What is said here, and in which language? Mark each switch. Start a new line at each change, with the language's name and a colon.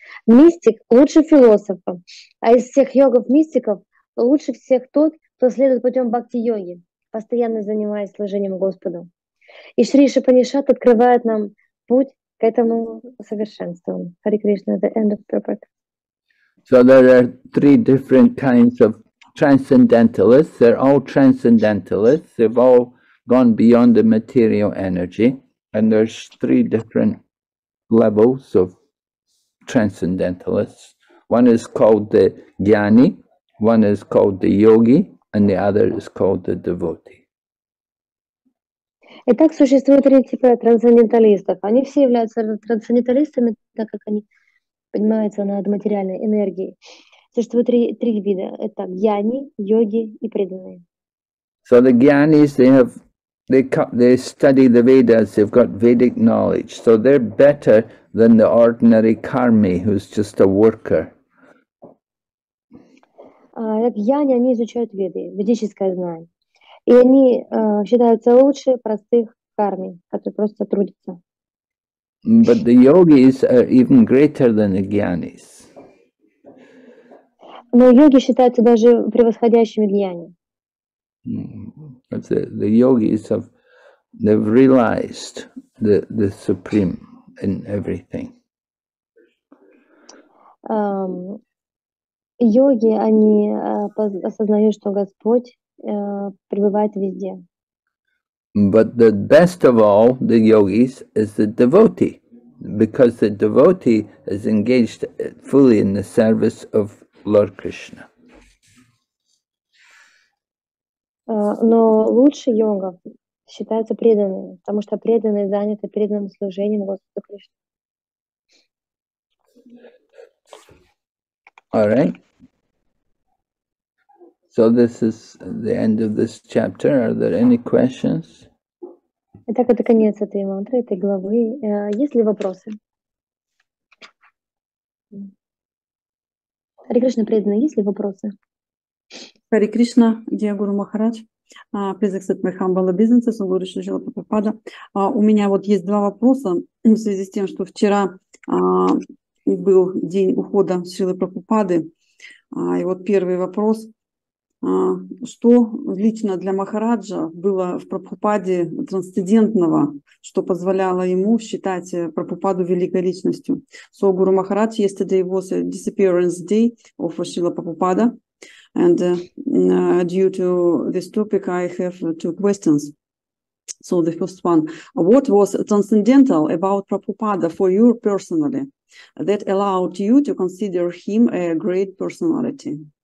Russian: Мистик лучше философа, а из всех йогов-мистиков лучше всех тот, кто следует путем бхакти-йоги, постоянно занимаясь служением Господу. И Шри Шупанишат открывает нам путь к этому совершенству.
English: Hare Krishna, the end of purport. So there are three different kinds of transcendentalists. They're all transcendentalists. They've all gone beyond the material energy. And there's three different levels of transcendentalists. One is called the Jnani, one is called the Yogi, and the other is called the Devotee.
Russian: Итак, существует три типа трансценденталистов. Они все являются трансценденталистами, так как они поднимаются над материальной энергией. Существует три вида. Это Jnani, Йоги и преданные.
English: So the Jnanis, they study the Vedas, they've got Vedic knowledge, so they're better than the ordinary Karmi, who's just a worker.
Russian: Jnani, они изучают Веды, ведическое знание. И они считаются лучше простых Карми, которые просто трудятся.
English: But the Yogis are even greater than the Jnanis.
Russian: Но йоги считаются даже превосходящими Jnani.
English: The yogis they've realized the supreme in everything.
Russian: Йоги они осознают, что Господь пребывает везде.
English: But the best of all the yogis is the devotee, because the devotee is engaged fully in the service of Lord Krishna.
Russian: Но лучше йогов считаются преданными, потому что преданные заняты преданным служением Господу Кришне.
English: All right. So this is the end of this chapter. Are there any questions?
Russian: Итак, это конец этой мантры, этой главы. Есть ли вопросы? Хари Кришна, преданные, есть ли вопросы? Хари Кришна, Диагуру Махарадж.
English: Please accept my humble business,
Russian: Гуру Шрила Прабхупада. У меня вот есть два вопроса в связи с тем, что вчера был день ухода Шрилы Прабхупады. И вот первый вопрос. Что лично для Махараджа было в Прабхупаде трансцендентного, что позволяло ему считать Прабхупаду великой личностью?
English: So, Гуру Махарадж, yesterday was a disappearance day of Шрила Прабхупада. And due to this topic, I have two questions. So the first one, what was transcendental about Prabhupada for you personally that allowed you to consider him a great personality?